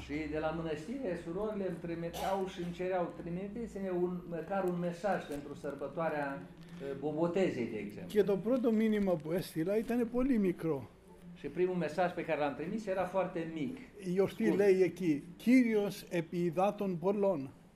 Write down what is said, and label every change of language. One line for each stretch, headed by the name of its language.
Romanian: Și de la mănăstire, surorile îmi trimiteau și îmi cereau, trimiteți-ne măcar un mesaj pentru sărbătoarea Bobotezei, de exemplu.
Greek: Και το πρώτο μήνυμα που έστειλα ήταν πολύ μικρό.
Romanian: Și primul mesaj pe care l-am trimis era foarte mic.
Greek: Η γιορτή λέει εκεί, Κύριος επί υδάτων πολλών.